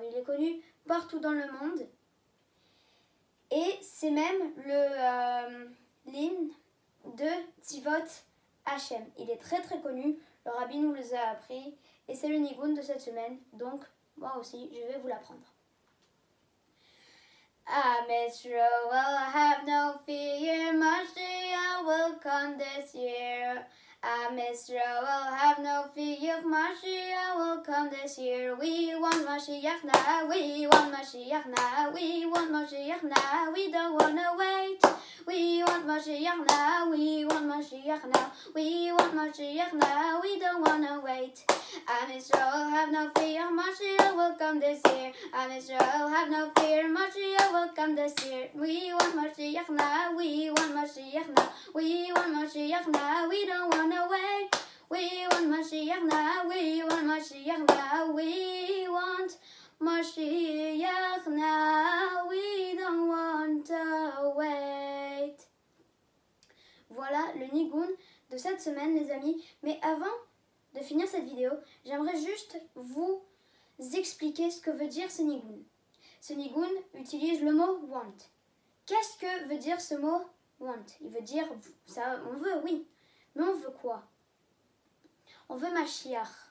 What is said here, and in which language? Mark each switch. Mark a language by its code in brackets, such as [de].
[fr] Il est connu partout dans le monde et c'est même le l'hymne de Tzivot HaShem. Il est très très connu, le rabbi nous le a appris et c'est le Nigun de cette semaine, donc moi aussi, je vais vous l'apprendre. [en] Am Yisroel, have no fear, Mashiach will come this year. Am Yisroel, have no fear, Mashiach will come this year. We want Mashiach now, we want Mashiach now, we want Mashiach now, we don't wanna wait. We want Mashiach now, we want Mashiach now, we want Mashiach now, we don't wanna wait. Am Yisroel, have no fear, Mashiach will come this year. Am Yisroel, have no fear, Mashiach will come this year. We want Mashiach now, we want Mashiach now, we want Mashiach now, we don't wanna wait. We want Mashiach now, we want Mashiach now, we want Mashiach now, we don't wanna wait. [fr] Voilà le Nigun de cette semaine, les amis. Mais avant de finir cette vidéo, j'aimerais juste vous expliquer ce que veut dire ce Nigun. Ce Nigun utilise le mot want. Qu'est-ce que veut dire ce mot want? Il veut dire, ça, on veut, oui. Mais on veut quoi? On veut Mashiach.